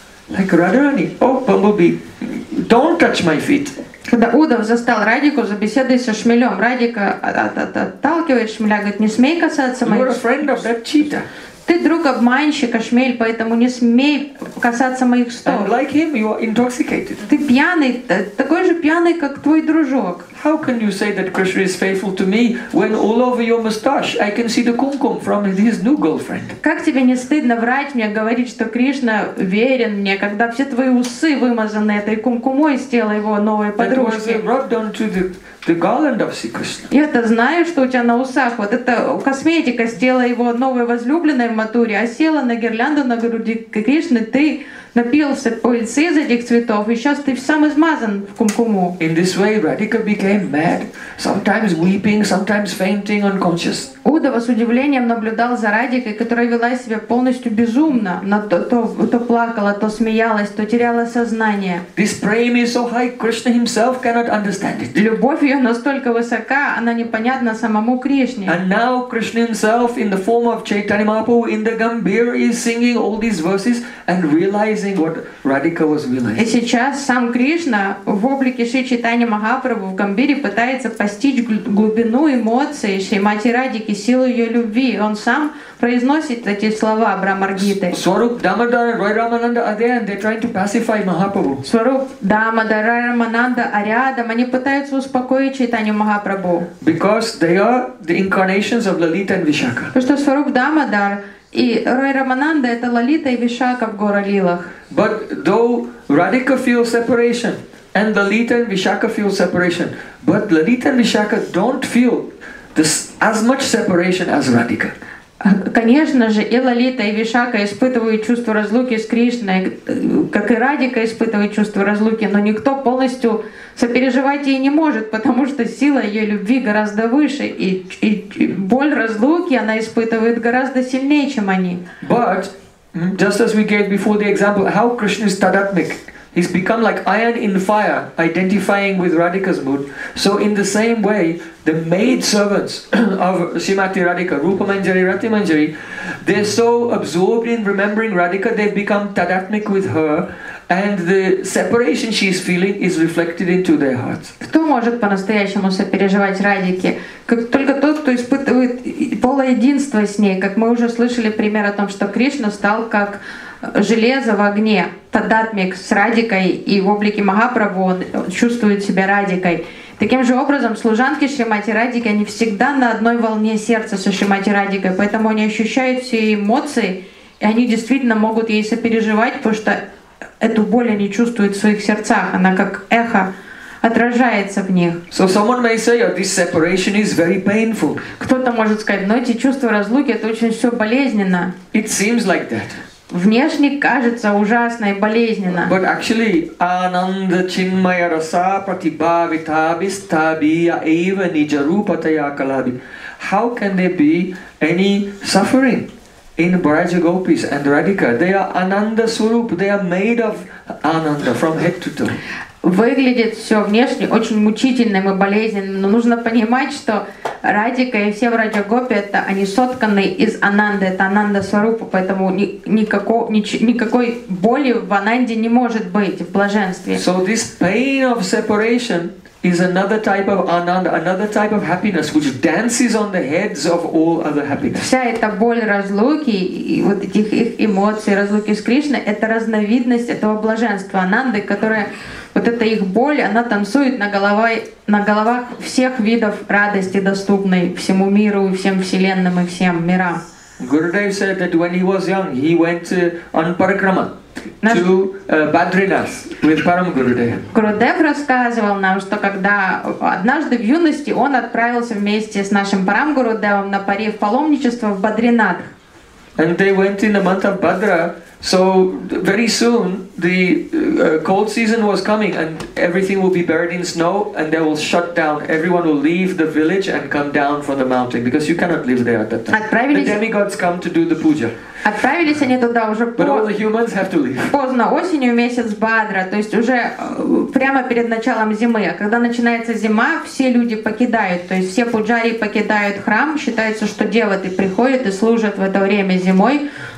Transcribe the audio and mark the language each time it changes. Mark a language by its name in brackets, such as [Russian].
[English] Like Radharani, oh bumblebee, don't touch my feet. [Russian] Когда Удав застал Радику за беседой со шмелем, Радика отталкивает шмеля, говорит, не смей касаться моих стоп. Ты друг обманщика, шмель, поэтому не смей касаться моих стоп. [English] And like him, you are intoxicated. [Russian] Ты пьяный, такой же пьяный, как твой дружок. [English] How can you say that Krishna is faithful to me when all over your mustache I can see the kumkum from his new girlfriend? [Russian] Как тебе не стыдно врать мне, говорить, что Кришна верен мне, когда все твои усы вымазаны этой кумкумой с тела его новой подружки? [English] That was rubbed onto the garland of Sri Krishna. [Russian] Я-то знаю, что у тебя на усах вот эта косметика с тела его новой возлюбленной в Матуре, а села на гирлянду на груди Кришны ты. Напился пыльцы из этих цветов, и сейчас ты сам измазан в кумкуму. [English] In this way, Radhika became mad, sometimes weeping, sometimes fainting, unconscious. [Russian] Удава с удивлением наблюдал за Радикой, которая вела себя полностью безумно. Она то плакала, то смеялась, то теряла сознание. [English] This prema is so high, Krishna himself cannot understand it. [Russian] Любовь ее настолько высока, она непонятна самому Кришне. [English] And now Krishna himself, in the form of Chaitanya Mahaprabhu, in the Gambir, is singing all these verses and realizing what Radhika was realizing. [Russian] И сейчас сам Кришна в облике Шри Чайтаньи Махапрабху в Гамбире пытается постичь глубину эмоций Шримати Радики. И силу ее любви. Он сам произносит эти слова Брахмаргиты. [English] Сваруп Дамодар и Рай Рамананда are there and they're trying to pacify Махапрабху. [Russian] Сваруп Дамодар, Рай Рамананда, Ариадам, они пытаются успокоить Чайтанью Махапрабху. [English] Because they are the incarnations of Лалита and Вишака. [Russian] Потому что Сваруп Дамодар и Рай Рамананда это Лалита и Вишака в горах Лилах. [English] But though Radhika feels separation, And Lalita and Vishakha feel separation, but Lalita and Vishakha don't feel this as much separation as Radhika. [Russian] Конечно же, и Лалита, и Вишака испытывают чувство разлуки с Кришной, как и Радика испытывает чувство разлуки, но никто полностью сопереживать ей не может, потому что сила ее любви гораздо выше, и боль разлуки она испытывает гораздо сильнее, чем они. [English] But just as we gave before the example, how Krishna is tadatmik, he's become like iron in fire, identifying with Radhika's mood. So in the same way, the maid servants of Srimati Radhika, Rupa Manjari, Rati Manjari, they're so absorbed in remembering Radhika, they've become tadatmik with her, and the separation she's feeling is reflected into their hearts. [Russian] Кто может по-настоящему сопереживать Радике? Только тот, кто испытывает полуединство с ней, как мы уже слышали пример о том, что Кришна стал как железо в огне, тадатмик с Радикой, и в облике Махапрабху он чувствует себя Радикой. Таким же образом, служанки Шримати Радики, они всегда на одной волне сердца со Шримати Радикой, поэтому они ощущают все эмоции, и они действительно могут ей сопереживать, потому что эту боль они чувствуют в своих сердцах, она как эхо отражается в них. [English] So someone may say, oh, this separation is very painful. [Russian] Кто-то может сказать, но эти чувства разлуки, это очень все болезненно. [English] It seems like that. [Russian] Внешне кажется ужасно и болезненно. [English] But actually, [Sanskrit] ананда чинмая раса пратибавита бистабия эйва ниджарупатая калаби. [English] How can there be any suffering in Brajagopis and Radhika? They are ананда суруп, they are made of ананда from head to toe. [Russian] Выглядит все внешне очень мучительным и болезненным, но нужно понимать, что Радика и все Враджа-гопи, это они сотканы из Ананды, это Ананда Сварупа, поэтому никакой боли в Ананде не может быть, в блаженстве. [English] So this pain of separation is another type of Ananda, another type of happiness, which dances on the heads of all other happiness. [Russian] Вся эта боль разлуки и вот этих их эмоций, разлуки с Кришной, это разновидность этого блаженства Ананды, которая вот эта их боль, она танцует на головах всех видов радости, доступной всему миру, всем вселенным и всем мирам. [English] Gurudev said that when he was young, he went on parikrama to Badrinath with Param Gurudev. [Russian] Gurudev рассказывал нам, что когда однажды в юности он отправился вместе с нашим Param Gurudevом на пари в паломничество в Бадринат. [English] And they went in the month of Bhadra. So very soon the cold season was coming and everything will be buried in snow and they will shut down. Everyone will leave the village and come down from the mountain because you cannot live there at that time. [Russian] Отправились... [English] The demigods come to do the puja. [Russian] Отправились они туда уже [English] But all the humans have to leave. [Russian] Поздно осенью, месяц Бадра, то есть уже прямо перед началом зимы. А когда начинается зима, все люди покидают, то есть все пуджари покидают храм. Считается, что деваты приходят и служат в это время зимой.